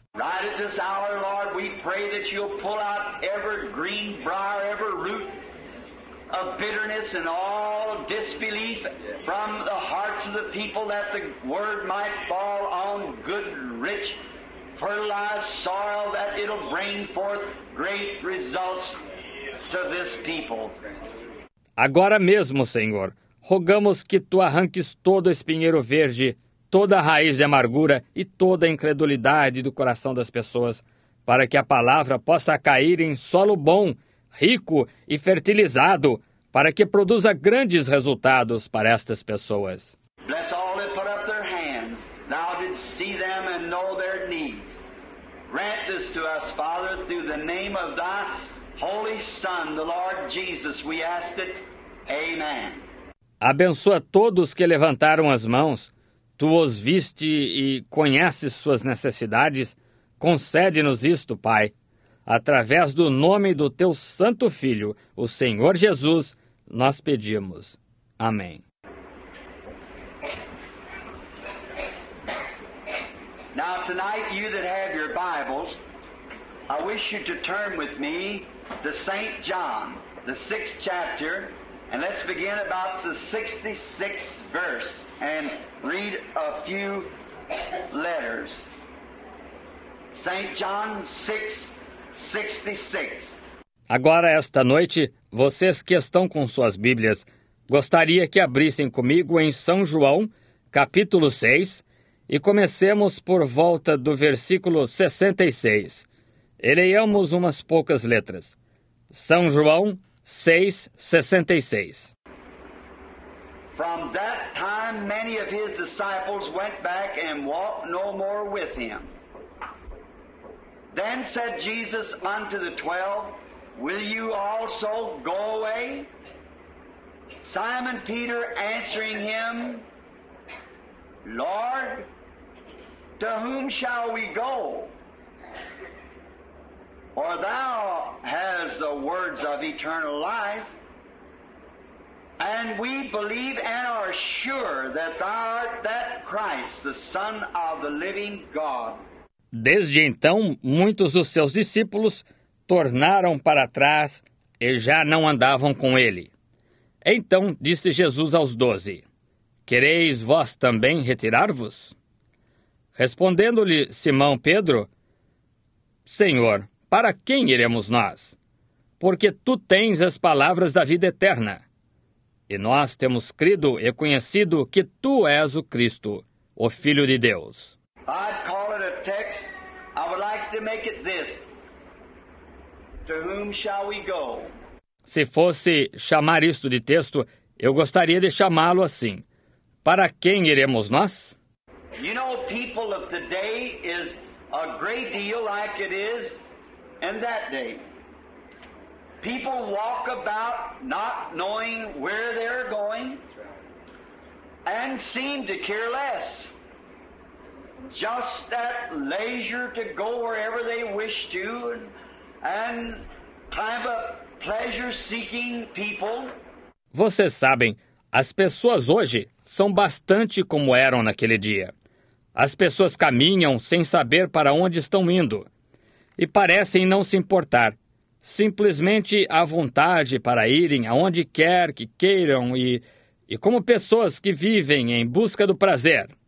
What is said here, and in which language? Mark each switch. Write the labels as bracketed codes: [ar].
[en] Right at this hour, Lord, we pray that you'll pull out every green briar, every root of bitterness and all disbelief from the hearts of the people, that the word might fall on good, rich, fertilized soil, that it'll bring forth great results to this people. [pt] Agora mesmo, Senhor, rogamos que tu arranques todo espinheiro verde, toda a raiz de amargura e toda a incredulidade do coração das pessoas, para que a palavra possa cair em solo bom, rico e fertilizado, para que produza grandes resultados para estas pessoas. [en] Bless all that put up their hands. Thou didst see them and know their needs. Grant this to us, Father, through the name of thy Holy Son, the Lord Jesus, we ask it. Amen. [pt] Abençoa todos que levantaram as mãos. Tu os viste e conheces suas necessidades. Concede-nos isto, Pai. Através do nome do teu Santo Filho, o Senhor Jesus, nós pedimos. Amém. [en] Now tonight, you that have your Bibles, I wish you to turn with me to St. John, the 6th chapter. And let's begin about the 66th verse and read a few letters. St. John 6:66. [pt] Agora esta noite, vocês que estão com suas Bíblias, gostaria que abrissem comigo em São João, capítulo 6, e comecemos por volta do versículo 66. E leiamos umas poucas letras. São João 6:66. [en] From that time many of his disciples went back and walked no more with him. Then said Jesus unto the 12, Will you also go away? Simon Peter answering him, Lord, to whom shall we go? For thou hast the words of eternal life, and we believe and are sure that thou art that Christ, the Son of the living God. [pt] Desde então, muitos dos seus discípulos tornaram para trás e já não andavam com ele. Então disse Jesus aos 12, Quereis vós também retirar-vos? Respondendo-lhe Simão Pedro, Senhor, para quem iremos nós? Porque tu tens as palavras da vida eterna. E nós temos crido e conhecido que tu és o Cristo, o Filho de Deus. [en] I'd call it a text. I would like to make it this. To whom shall we go? [pt] Se fosse chamar isto de texto, eu gostaria de chamá-lo assim. Para quem iremos nós? [en] You know, people of today is a great deal like it is in that day. People walk about not knowing where they're going and seem to care less. Just at leisure to go wherever they wish to, and time of pleasure-seeking people. [pt] Vocês sabem, as pessoas hoje são bastante como eram naquele dia. As pessoas caminham sem saber para onde estão indo. E parecem não se importar, simplesmente à vontade para irem aonde quer que queiram e como pessoas que vivem em busca do prazer.